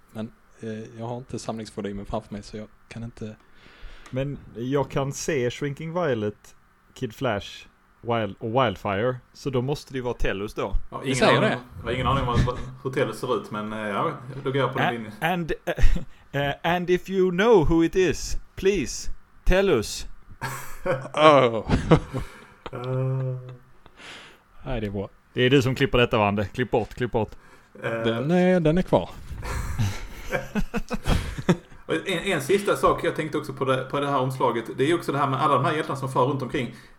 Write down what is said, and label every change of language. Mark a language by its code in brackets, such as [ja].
[sv] Men jag har inte samlingsvolymen framför mig, så jag kan inte. Men jag kan se Shrinking Violet, Kid Flash och Wildfire, så då måste det ju vara Tellus då. Ja, ingen säger aning, det. Jag har ingen aning om hur Tellus ser ut, men ja, då går jag på den linjen. [en] And if you know who it is, please, tell us. [sv] Oh. Nej, det är bra. Det är du som klipper detta, Vande. Klipp bort. Den är kvar. en sista sak jag tänkte också på det här omslaget. Det är också det här med alla de här hjältarna som far runt omkring.